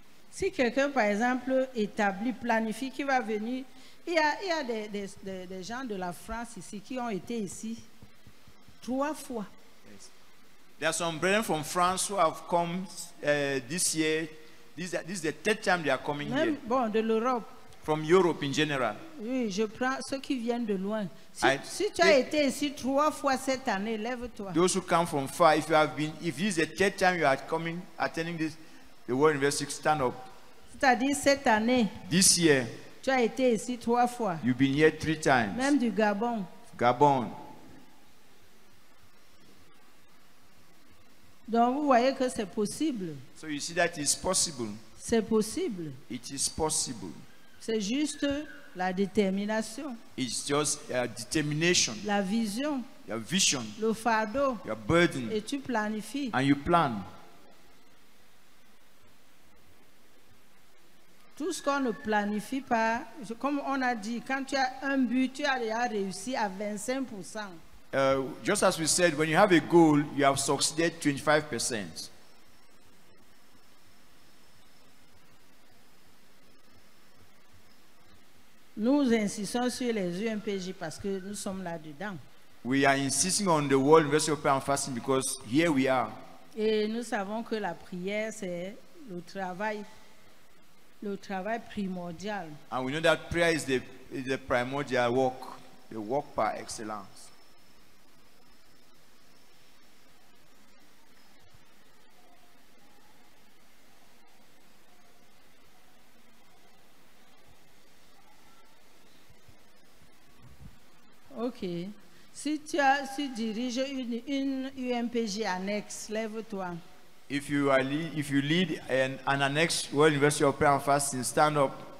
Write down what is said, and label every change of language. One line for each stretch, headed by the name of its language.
French: Si quelqu'un, par exemple, établit, planifie qu'il va venir. Il y a des gens de la France ici qui ont été ici trois fois.
English: Yes. There are some brethren from France who have come this year. This is the third time they are coming
French: même,
English: here.
French: Bon, de l'Europe.
English: From Europe in general.
French: Oui, je prends ceux qui viennent de loin. Si tu as été ici trois fois cette année, lève-toi.
English: Those who come from far, if you have been, if this is the third time you are coming, attending this, the World University, stand up.
French: C'est-à-dire cette année.
English: This year.
French: Tu as été ici trois fois.
English: You've been here three times.
French: Même du Gabon.
English: Gabon.
French: Donc vous voyez que c'est possible.
English: So you see that it's possible.
French: C'est possible.
English: It is possible.
French: C'est juste la détermination.
English: It's just a determination.
French: La vision.
English: Your vision.
French: Le fardeau.
English: Your burden.
French: Et tu planifies.
English: And you plan.
French: Tout ce qu'on ne planifie pas, comme on a dit, quand tu as un but, tu as déjà réussi à 25%.
English: Just as we said, when you have a goal, you have succeeded 25%.
French: Nous insistons sur les UMPJ parce que nous sommes là dedans.
English: We are insisting on the World University of Prayer and Fasting because here we are.
French: Et nous savons que la prière c'est le travail primordial.
English: And we know that prayer is the primordial work, the work par excellence. Ok.
French: Si tu diriges une UMPJ annexe, lève-toi.
English: If you lead an annexe World University of Prayer and Fasting, stand up.